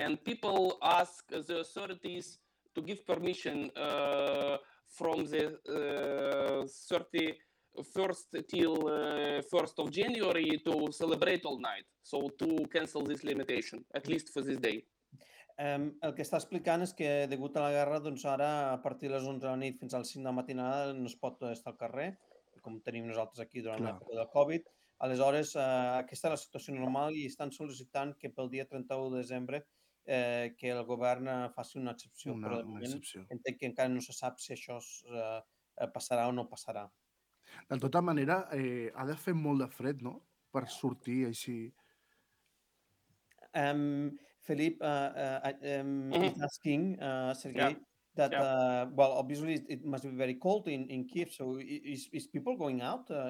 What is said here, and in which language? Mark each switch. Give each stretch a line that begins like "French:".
English: And people ask the authorities to give permission from the 31st till 1st of January to celebrate all night, so to cancel this limitation, at least for this day.
Catalan: El que està explicant és que, degut a la guerra, doncs ara, a partir de les 11 de la nit fins al 5 de la matinada, no es pot estar al carrer, com tenim nosaltres aquí durant l'època del Covid. Aleshores, aquesta és la situació normal i estan sol·licitant que pel dia 31 de desembre que el govern faci una excepció. Entenc que encara no se sap si això passarà o no passarà. De tota manera, ha de fer molt de fred, no?, per sortir així.
English: Felip, is asking, Sergei, obviously it must be very cold in Kyiv, so is people going out?